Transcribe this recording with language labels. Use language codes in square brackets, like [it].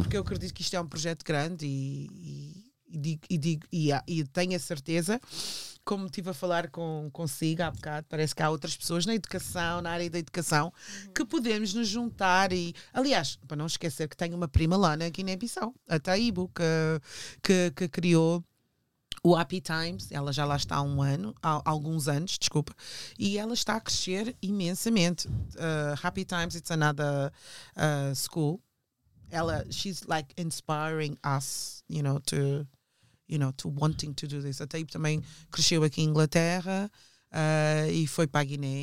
[pt] Porque eu acredito que isto é um projeto grande e e tenho a certeza, como estive a falar consigo há bocado, parece que há outras pessoas na educação, na área da educação, que podemos nos juntar. E, aliás, para não esquecer que tenho uma prima lá na Guiné-Bissau, a Taíbo, que criou o Happy Times. Ela já lá está há alguns anos, e ela está a crescer imensamente. [en] Happy Times, it's another school. [pt] Ela, [en] she's like inspiring us, to wanting to do this. [pt] A Taíbo também cresceu aqui em Inglaterra e foi para a Guiné.